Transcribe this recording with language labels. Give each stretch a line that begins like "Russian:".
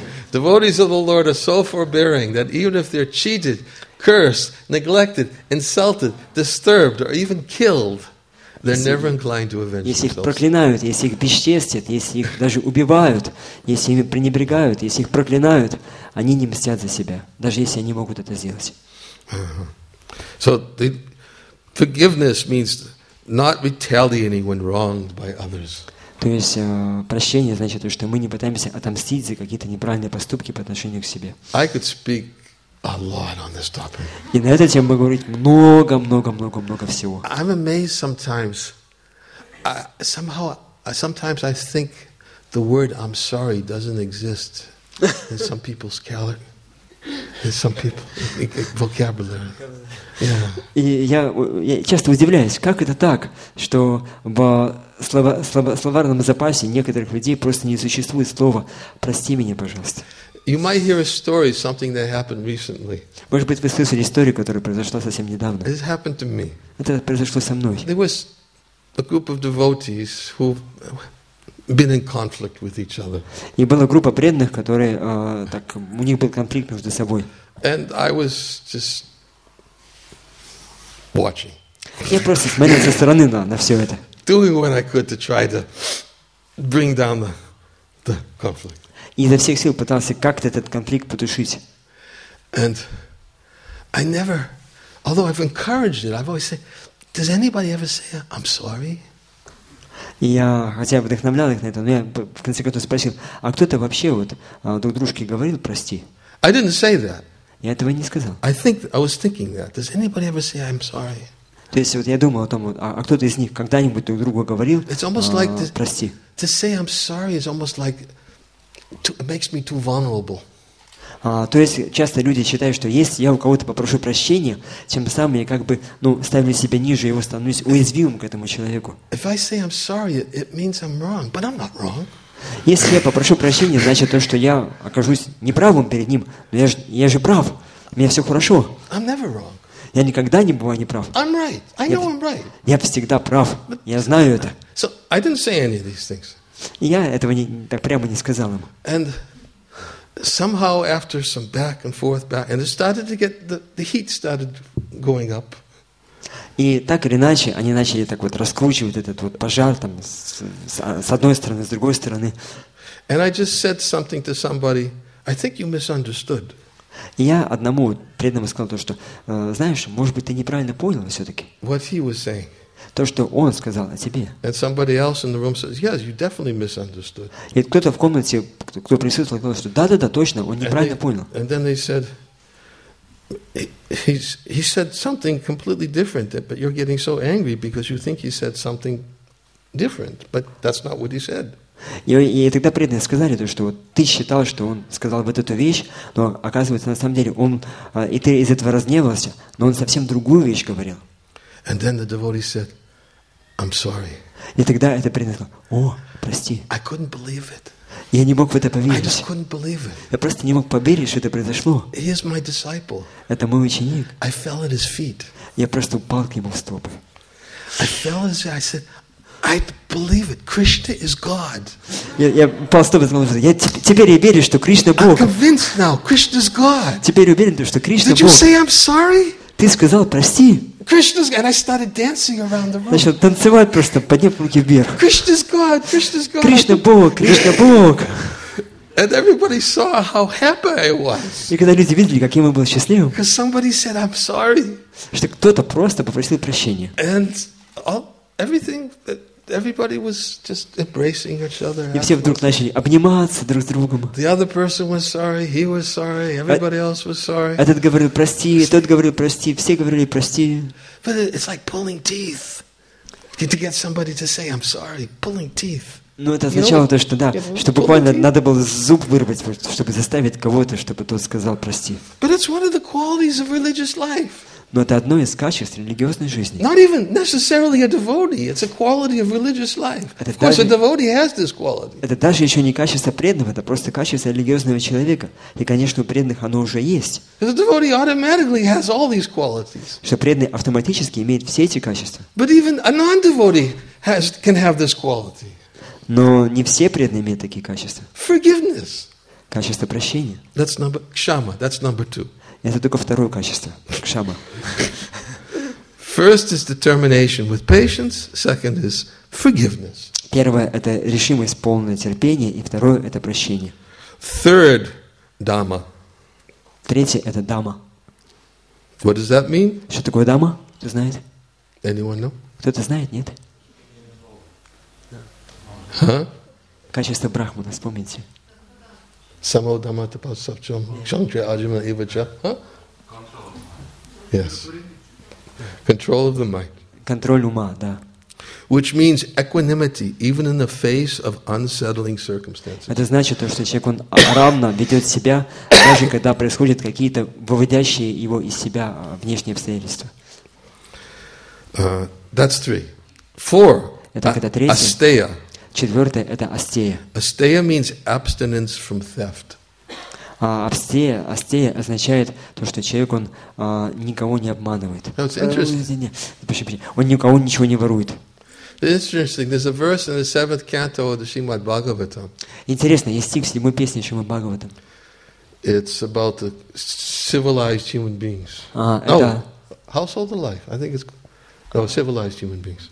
English: Devotees of the Lord are so forbearing that even if they're cheated, cursed, neglected, insulted, disturbed, or even killed, they're never inclined to avenge themselves.
Russian: Если их проклинают, если их бесчестят, если их даже убивают, если ими пренебрегают, если их проклинают, они не мстят за себя, даже если они могут это сделать.
English: So the forgiveness means not retaliating when wronged by others.
Russian: То есть прощение значит то, что мы не пытаемся отомстить за какие-то неправильные поступки по отношению к себе.
English: I could speak a lot on this topic.
Russian: И на эту тему могу говорить много всего.
English: I'm amazed sometimes. Sometimes I think the word I'm sorry doesn't exist in some people's calendar. Some people, vocabulary. Yeah.
Russian: И я часто удивляюсь, как это так, что в словарном запасе некоторых людей просто не существует слова «прости меня, пожалуйста».
English: You might hear a story, something that happened recently.
Russian: Может быть, вы слышали историю, которая произошла совсем недавно.
English: This happened to me.
Russian: Это произошло со мной.
English: There was a group of devotees who been in conflict with each other.
Russian: И была группа преданных, которые так у них был конфликт между собой.
English: And I was just watching.
Russian: Я просто смотрел со стороны на все это.
English: Doing what I could to try to bring down the conflict.
Russian: И изо всех сил пытался как-то этот конфликт потушить.
English: And I never, although I've encouraged it, I've always said, does anybody ever say I'm sorry?
Russian: И я хотя бы вдохновлял их на это, но я в конце концов спросил, а кто-то вообще вот друг дружке говорил прости?
English: I didn't say that.
Russian: Я этого не сказал.
English: I think I was thinking that. Does anybody ever say I'm sorry?
Russian: То есть вот я думал о том, а кто-то из них когда-нибудь друг другу говорил прости?
English: To say I'm sorry is almost like it makes me too vulnerable.
Russian: То есть часто люди считают, что если я у кого-то попрошу прощения, тем самым я как бы, ну, ставлю себя ниже его, становлюсь уязвимым к этому человеку.
English: If I say I'm sorry, it means I'm wrong, but I'm not wrong.
Russian: Если я попрошу прощения, значит то, что я окажусь неправым перед ним, но я же прав, у меня все хорошо.
English: I'm never wrong.
Russian: Я никогда не бываю неправ.
English: I'm right. I know I'm right.
Russian: Я всегда прав. But, я знаю это.
English: So I didn't say any of these things.
Russian: И я этого не, так прямо не сказал ему.
English: And somehow after some back and forth, and it started to get the heat started going up.
Russian: И так или иначе они начали так вот раскручивать этот вот пожар там с одной стороны, с другой стороны.
English: And I just said something to somebody. I think you misunderstood.
Russian: И я одному преданному сказал то, что, знаешь, может быть, ты неправильно понял все-таки.
English: What he was saying.
Russian: То, что он сказал о тебе.
English: And somebody else in the room says, yes, you definitely misunderstood.
Russian: И кто-то в комнате, кто присутствовал, сказал, что да-да-да, точно, он неправильно понял.
English: And then they said, he said something completely different, but you're getting so angry because you think he said something different, but that's not what he said.
Russian: И тогда преданные сказали то, что вот ты считал, что он сказал вот эту вещь, но оказывается на самом деле он и ты из этого разгневался, но он совсем другую вещь говорил.
English: And then the devotee said, I'm sorry.
Russian: И тогда этот преданный сказал, о, прости.
English: I couldn't believe it.
Russian: Я не мог в это поверить.
English: I just couldn't believe it.
Russian: Я просто не мог поверить, что это произошло.
English: He is my disciple.
Russian: Это мой ученик.
English: I fell at his feet.
Russian: Я просто упал к нему в стопы.
English: I fell at his feet. I said, I believe it. Krishna is God.
Russian: Я упал с тобой, сказал, я теперь я верю, что Кришна Бог.
English: I'm convinced now. Krishna is God.
Russian: Теперь уверен, что Кришна Бог.
English: Did you say I'm sorry?
Russian: Ты сказал прости.
English: Krishna is God. And I started dancing around the room.
Russian: Начал танцевать просто, подняв руки вверх.
English: Krishna is God. Krishna is God.
Russian: Кришна Бог. Кришна Бог.
English: And everybody saw how happy I was.
Russian: И когда люди видели, каким я был счастливым.
English: Because somebody said I'm sorry.
Russian: Что кто-то просто попросил прощения.
English: And everything that everybody was just embracing each other.
Russian: И все вдруг начали обниматься друг с другом.
English: The other person was sorry, he was sorry, everybody else was sorry.
Russian: Этот говорил прости, тот говорил прости, все говорили прости.
English: But it's like pulling teeth. To get somebody to say I'm sorry, pulling teeth.
Russian: Ну это означало то, что да, что буквально надо было зуб вырвать, чтобы заставить кого-то, чтобы тот сказал прости.
English: But it's one of the qualities of religious life.
Russian: Но это одно из качеств религиозной жизни.
English: Not even necessarily a devotee. It's a quality of religious life. Of course, a devotee has this quality.
Russian: Это даже еще не качество преданного, это просто качество религиозного человека. И, конечно, у преданных оно уже есть.
English: The devotee automatically has all these qualities.
Russian: Что преданный автоматически имеет все эти качества.
English: But even a non-devotee can have this quality.
Russian: Но не все преданные имеют такие качества.
English: Forgiveness.
Russian: Качество прощения.
English: That's number kshama. That's number two.
Russian: Это только второе качество, кшама.
English: First is determination with patience. Second is forgiveness.
Russian: Первое – это решимость, полное терпение, и второе – это прощение.
English: Third – дама.
Russian: Третье – это дама.
English: What does that mean?
Russian: Что такое дама? Кто знает?
English: Anyone know?
Russian: Кто-то знает, нет? Huh? Качество брахмана, вспомните.
Sanskrit: Samo dhamma tapa sapchom chandra ajima evacha.
English: Yes. Control of the mind.
Russian: Контроль ума, да.
English: Which means equanimity even in the face of unsettling circumstances.
Russian: Это значит, что человек он равно ведет себя, даже когда происходят какие-то выводящие его из себя внешние обстоятельства.
English: That's three. Four.
Russian: Это когда третье.
English: Astheya.
Russian: Четвертое – это астея.
English: Astheya means abstinence from theft.
Russian: Астея означает то, что человек он никого не обманывает.
English: That's interesting.
Russian: Он никого ничего не ворует.
English: It's interesting. There's a verse in the seventh canto of the Srimad Bhagavatam.
Russian: Интересно, есть стих в седьмой песне Шримад Бхагаватам.
English: It's about the civilized human beings. Household of life. I think it's no, civilized human beings.